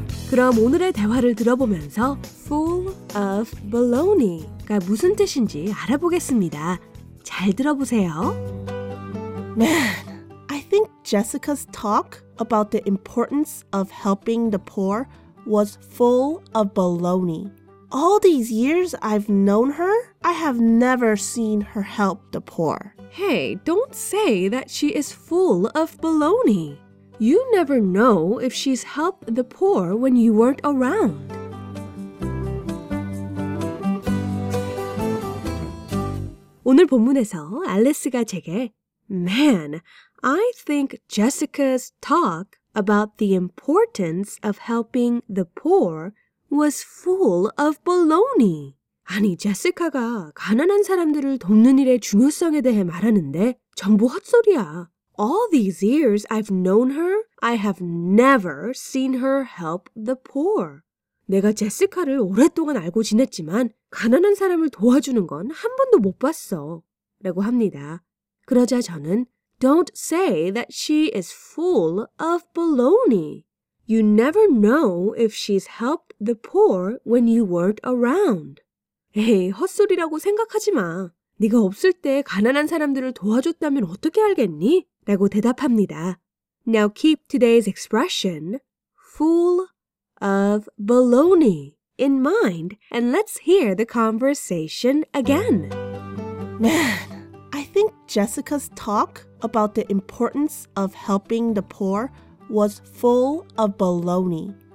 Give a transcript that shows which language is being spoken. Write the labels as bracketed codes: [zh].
[ko] 그럼 오늘의 대화를 들어보면서 full of baloney가 무슨 뜻인지 알아보겠습니다. 잘 들어보세요. [en] Man, I think Jessica's talk about the importance of helping the poor was full of baloney. All these years I've known her, I have never seen her help the poor. Hey, don't say that she is full of baloney. You never know if she's helped the poor when you weren't around. [ko] 오늘 본문에서 알리스가 제게 [en] Man, I think Jessica's talk about the importance of helping the poor was full of baloney. [ko] 아니, 제시카가 가난한 사람들을 돕는 일의 중요성에 대해 말하는데 전부 헛소리야. [en] All these years I've known her, I have never seen her help the poor. [ko] 내가 제시카를 오랫동안 알고 지냈지만 가난한 사람을 도와주는 건 한 번도 못 봤어. 라고 합니다. 그러자 저는 [en] Don't say that she is full of baloney. You never know if she's helped the poor when you weren't around. [ko] 에이, 헛소리라고 생각하지 마. 네가 없을 때 가난한 사람들을 도와줬다면 어떻게 알겠니? 라고 대답합니다. [en] Now keep today's expression, full of baloney, in mind, and let's hear the conversation again. Man, I think Jessica's talk about the importance of helping the poor was full of baloney.